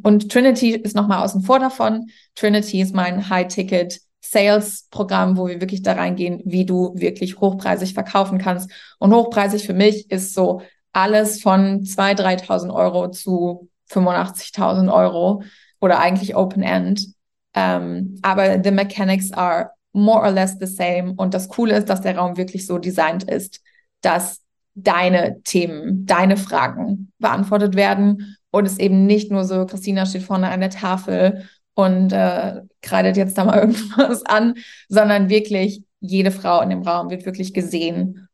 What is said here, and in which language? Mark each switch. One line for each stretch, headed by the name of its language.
German: Und Trinity ist nochmal außen vor davon. Trinity ist mein High-Ticket-Sales-Programm, wo wir wirklich da reingehen, wie du wirklich hochpreisig verkaufen kannst. Und hochpreisig für mich ist so alles von 2.000, 3.000 Euro zu 85.000 Euro oder eigentlich Open End.
English: Aber the mechanics are more or less the same.
German: Und das Coole ist, dass der Raum wirklich so designt ist, dass deine Themen, deine Fragen beantwortet werden. Und es eben nicht nur so, Christina steht vorne an der Tafel und kreidet jetzt da mal irgendwas an, sondern wirklich jede Frau in dem Raum wird wirklich gesehen.